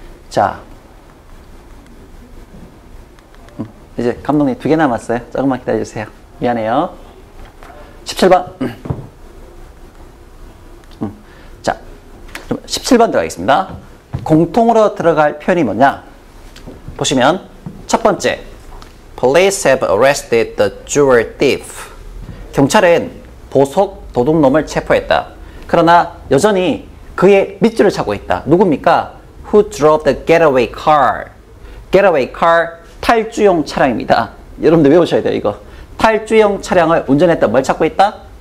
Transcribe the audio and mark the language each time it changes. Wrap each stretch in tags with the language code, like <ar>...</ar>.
<ko>자, 이제 감독님 두 개 남았어요. 조금만 기다려주세요. 미안해요. 17번. 자, 17번 들어가겠습니다. 공통으로 들어갈 표현이 뭐냐? 보시면 첫 번째,</ko> <en>Police have arrested the jewel thief.</en> <ko>경찰은 보석 도둑놈을 체포했다. 그러나 여전히 그의 밑줄을 차고 있다. 누굽니까?</ko> <en>Who drove the getaway car? Getaway car,</en> <ko>탈주용 차량입니다. 여러분들 외우셔야 돼요, 이거. 탈주용 차량을 운전했다. 뭘 찾고 있다?</ko>